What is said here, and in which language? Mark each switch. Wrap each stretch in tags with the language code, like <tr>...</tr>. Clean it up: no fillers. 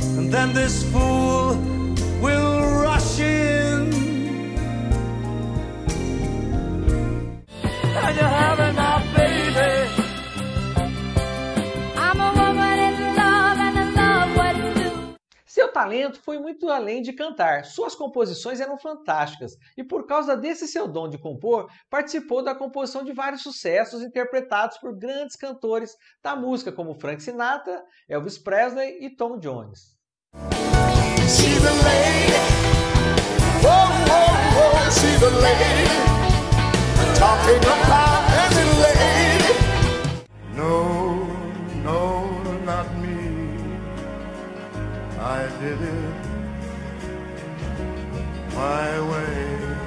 <en>Then this fool will rush in. And you're having my baby. I'm a woman in love and I love what to do.</en> <pt>Seu talento foi muito além de cantar. Suas composições eram fantásticas. E por causa desse seu dom de compor, participou da composição de vários sucessos interpretados por grandes cantores da música, como Frank Sinatra, Elvis Presley e Tom Jones.</pt> <en>She's a lady. Whoa, whoa, whoa, she's a lady. Talking about any lady. No, no, not me. I did it my way.</en>